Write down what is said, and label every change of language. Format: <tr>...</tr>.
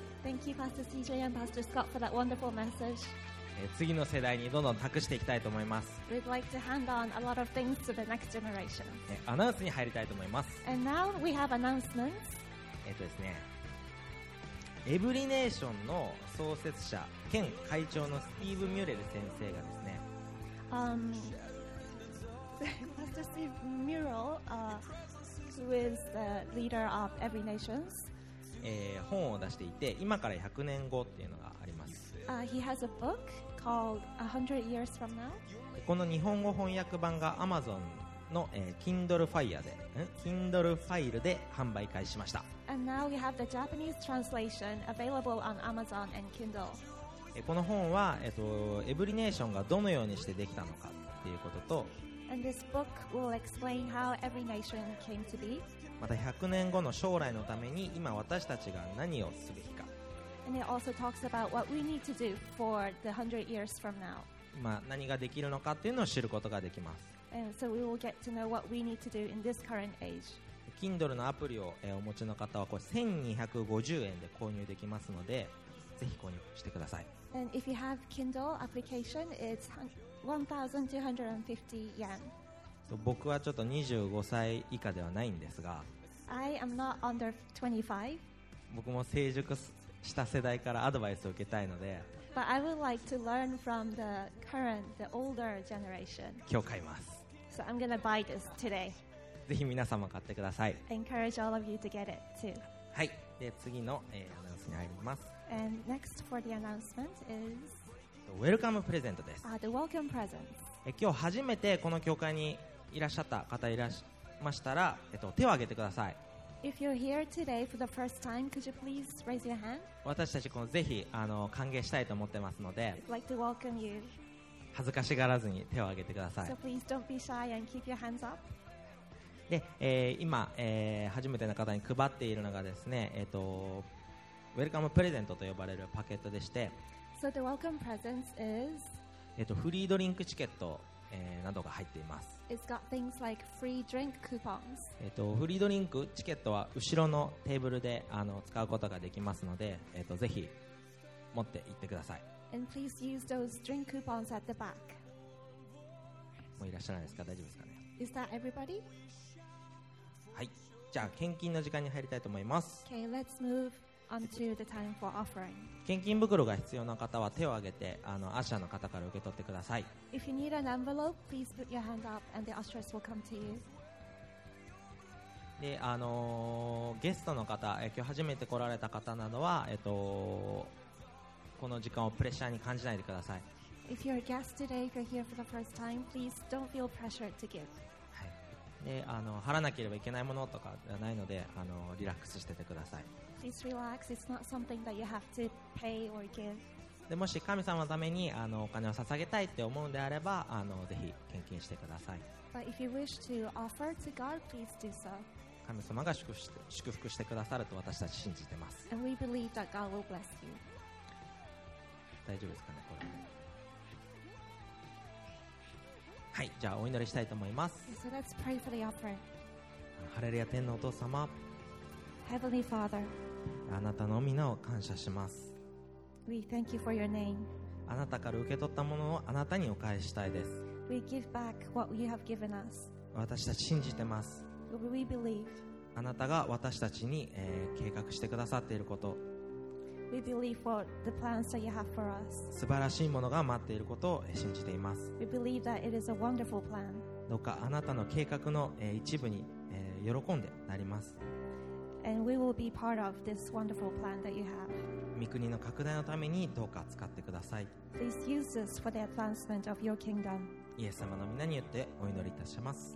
<en>Thank you, Pastor CJ and Pastor Scott for that wonderful message.</en> <ja>次の世代にどんどん託していきたいと思います。</ja> <en>We'd like to hand on a lot of things to the next generation.</en> <ja>アナウンスに入りたいと思います。</ja> <en>And now we have announcements.</en> <ja>ですね、エブリネーションの創設者兼会長のスティーブ・ミュレル先生がですね、</ja> <en>Pastor Steve Murrell, who is the leader of Every Nations.</en> <ja>本を出していて今から100年後っていうのがあります、</ja> <en>He has a book called 100 Years From Now.</en> <ja>この日本語翻訳版が Amazon の、Kindle Fire で、Kindle File で販売開始しました。</ja> <en>And now we have the Japanese translation available on Amazon and Kindle.</en> <ja>この本は、エブリネーションがどのようにしてできたのかっていうことと</ja> <en>And this book will explain how every nation came to be.</en> <ja>また100年後の将来のために今私たちが何をすべきか。</ja> <en>And it also talks about what we need to do for the 100 years from now.</en> <ja>今何ができるのかっていうのを知ることができます。</ja> <en>And so we will get to know what we need to do in this current age.</en> <ja>Kindle のアプリをお持ちの方はこれ1250円で購入できますので、ぜひ購入してください。</ja> <en>And if you have Kindle application, it's 1250 yen.</en> <ja>僕はちょっと25歳以下ではないんですが</ja> <en>I am not under 25.</en> <ja>僕も成熟した世代からアドバイスを受けたいので</ja> <en>But I would like to learn from the current, the older generation.</en> <ja>今日買います。</ja> <en>So I'm gonna buy this today.</en> <ja>ぜひ皆様買ってください。</ja> <en>I encourage all of you to get it too.</en> <ja>はい、で次の、アナウンスに入ります。</ja> <en>And next for the announcement is the welcome present</en> <ja>です。</ja> <en>The welcome present.</en> <ja>今日初めてこの教会にいらっしゃった方いらっしゃいましたら、手を挙げてください。</ja> <en>If you're here today for the first time, could you please raise your hand?</en> <ja>私たちこのぜひ歓迎したいと思ってますので</ja> <en>I'd like to welcome you.</en> <ja>恥ずかしがらずに手を挙げてください。</ja> <en>So please don't be shy and keep your hands up.</en> <ja>で、今、初めての方に配っているのがですね、ウェルカムプレゼントと呼ばれるパケットでして、</ja> <en>so the welcome presents is</en> <ja>フリードリンクチケット、などが入っています。</ja> <en>It's got things like free drink coupons.</en> <ja>フリードリンクチケットは後ろのテーブルで使うことができますので、ぜひ持って行ってください。</ja> <en>And please use those drink coupons at the back.</en> <ja>もういらっしゃらないですか？大丈夫ですかね？</ja> <en>Is that everybody?</en> <ja>はい、じゃあ献金の時間に入りたいと思います。</ja> <en>Okay, let's moveUnto the time for offering.</en> <ja>献金袋が必要な方は手を挙げてアシャの方から受け取ってください。</ja> <en>If you need an envelope, please put your hand up and the ushers will come to you.</en> <ja>で、ゲストの方、今日初めて来られた方などはこの時間をプレッシャーに感じないでください。</ja> <en>If you're a guest today, if you're here for the first time, please don't feel pressured to give.</en> <ja>で払わなければいけないものとかではないのでリラックスしててください。</ja> <en>Please relax. It's not something that you have to pay or give.</en> <ja>でもし神様のためにお金を捧げたいって思うのであればぜひ献金してください。</ja> <en>But if you wish to offer to God, please do so.</en> <ja>神様が祝福してくださると私たち信じてます。</ja> <en>And we believe that God will bless you.</en> <ja>大丈夫ですかね、これ。はい、じゃあお祈りしたいと思います。</ja> <en>So let's pray for the offering.</en> <ja>ハレルヤ天のお父様、</ja> <en>Heavenly Father,</en> <ja>あなたの御名を感謝します。</ja> <en>We thank you for your name.</en> <ja>あなたから受け取ったものをあなたにお返ししたいです。</ja> <en>We give back what you have given us.</en> <ja>私たち信じてます。</ja> <en>We believe.</en> <ja>あなたが私たちに、計画してくださっていること、</ja> <en>We believe for the plans that you have for us.</en> <ja>素晴らしいものが待っていることを信じています。</ja> <en>We believe that it is a wonderful plan.</en> <ja>どうかあなたの計画の一部に喜んでなります。</ja> <en>And we will be part of this wonderful plan that you have.</en> <ja>御国の拡大のためにどうか使ってください。</ja> <en>Please use this for the advancement of your kingdom.</en> <ja>イエス様の御名によってお祈りいたします。</ja>